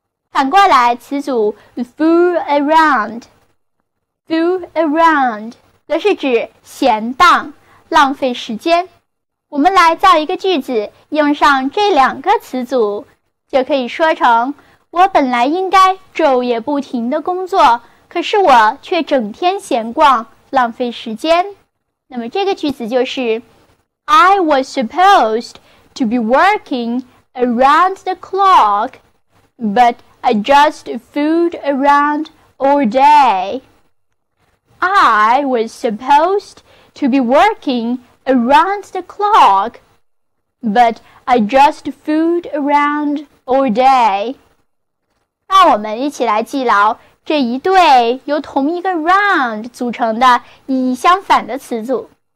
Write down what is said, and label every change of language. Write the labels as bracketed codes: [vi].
[zh] 反过来词组 fool around， fool around 则是指闲荡、浪费时间。我们来造一个句子，用上这两个词组，就可以说成：我本来应该昼夜不停地工作，可是我却整天闲逛，浪费时间。那么这个句子就是 [en] I was supposed to be working around the clock, but I just fooled around all day. I was supposed to be workingAround the clock, but I just fooled around all day. [zh] 让我们一起来记牢这一对由同一个 round 组成的意义相反的词组。